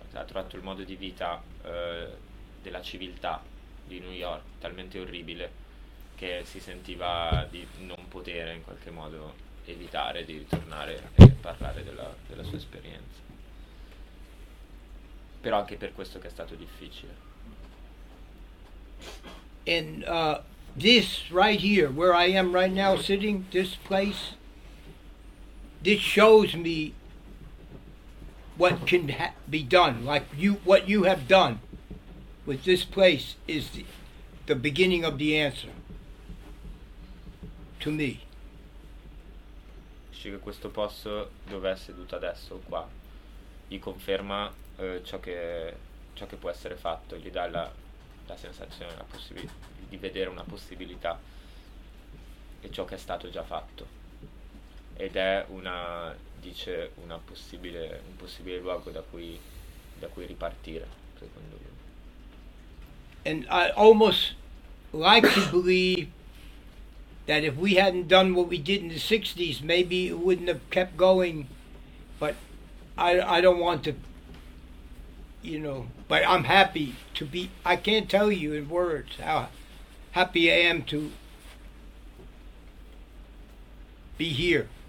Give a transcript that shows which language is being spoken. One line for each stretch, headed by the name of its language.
Italian: Ha trovato il modo di vita della civiltà di New York talmente orribile che si sentiva di non poter in qualche modo evitare di ritornare e parlare della, della sua esperienza. Però anche per questo che è stato difficile.
English: And this right here, where I am right now sitting, this place, this shows me what can be done, like you, what you have done with this place is the beginning of the answer. to me.
Italian: Dice che questo posto dove è seduto adesso, qua, gli conferma ciò che può essere fatto, gli dà la sensazione, la possibilità di vedere una possibilità e ciò che è stato già fatto. Ed è una, dice, una possibile, un possibile luogo da cui ripartire, secondo lui.
English: And I almost like to believe that if we hadn't done what we did in the 60s, maybe it wouldn't have kept going. But I don't want to, you know, but I'm happy to be, I can't tell you in words how happy I am to be here.